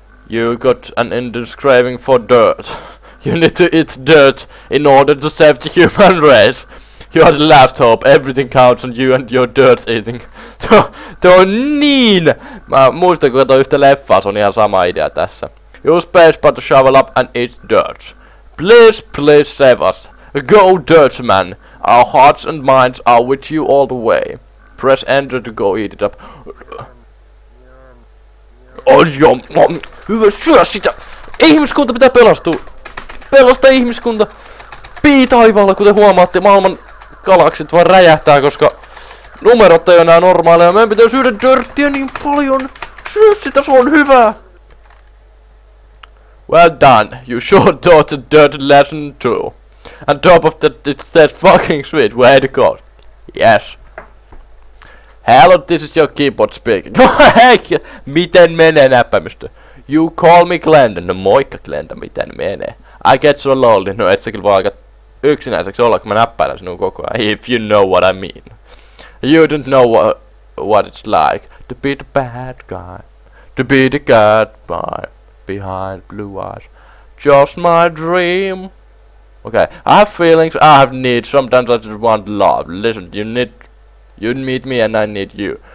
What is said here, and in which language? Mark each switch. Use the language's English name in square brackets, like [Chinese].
[English] You got an endless craving for dirt. You need to eat dirt in order to save the human race. You are the last hope. Everything counts on you and your dirt eating. [Finnish] Tuo on niin! Mä muistan, kun katsoin yhtä leffaa, se on ihan sama idea tässä. [English] Use space bar to shovel up and eat dirt. Please, please save us. Go dirt man. Our hearts and minds are with you all the way. Press enter to go eat it up. [Finnish] Oh joo, hyvä, syö sitä! Ihmiskunta pitää pelastua! Pelasta ihmiskunta! Pii taivaalla, kuten huomaatte, maailman galaksit vaan räjähtää, koska numerot ei ole enää normaaleja. Meidän pitää syödä dörttiä niin paljon. Syö sitä, se on hyvää. [English] Well done. You sure taught a dirt lesson too. And top of that, it's that fucking sweet. Way to go. Yes. Hello, this is your keyboard speaking. Hey, [Finnish] miten menee näppäimistö? [English] You call me Glenda. [Finnish] No moikka Glenda, miten menee? [English] I get so lonely. [Finnish] No et sä kyllä voi aika yksinäiseksi olla, kun mä näppäilen sinun koko ajan. [English] If you know what I mean. You don't know what it's like to be the bad guy, to be the good boy behind blue eyes. Just my dream. Okay, I have feelings, I have needs. Sometimes I just want love. Listen, you need me and I need you.